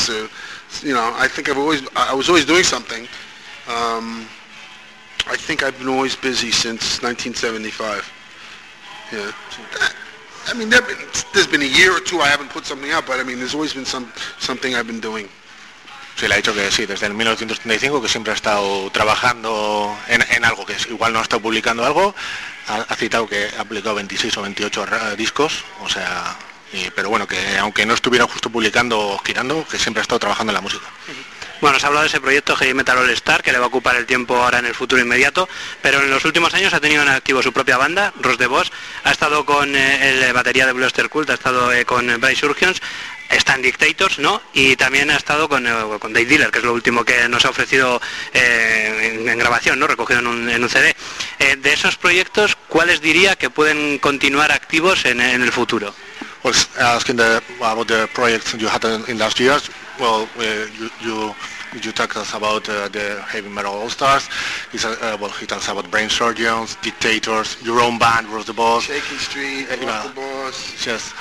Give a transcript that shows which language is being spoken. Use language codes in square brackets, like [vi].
[en] So, you know, I think I was always doing something. I think I've been always busy since 1975. Yeah, I mean, there's been a year or two I haven't put something out, but I mean, there's always been something I've been doing. [es] Sí, le ha dicho que sí, desde el 1935 que siempre ha estado trabajando en algo, que es, igual no ha estado publicando algo, ha citado que ha publicado 26 o 28 discos, o sea, pero bueno, que aunque no estuviera justo publicando o girando, que siempre ha estado trabajando en la música. Uh-huh. Bueno, se ha hablado de ese proyecto Heavy Metal All Star, que le va a ocupar el tiempo ahora en el futuro inmediato, pero en los últimos años ha tenido en activo su propia banda, Ross DeVos, ha estado con el batería de Blaster Cult, ha estado con Bryce Surgeons, está en Dictators, ¿no?, y también ha estado con Dave Dealer, que es lo último que nos ha ofrecido en grabación, ¿no?, recogido en un CD. De esos proyectos, ¿cuáles diría que pueden continuar activos en el futuro? [en] Well, asking about the projects you had in last years. Well, you talked us about the Heavy Metal All Stars. He talks about Brain Surgeons, Dictators, your own band, Rose the Boss. Shaky Street, Rose the Boss. Yes.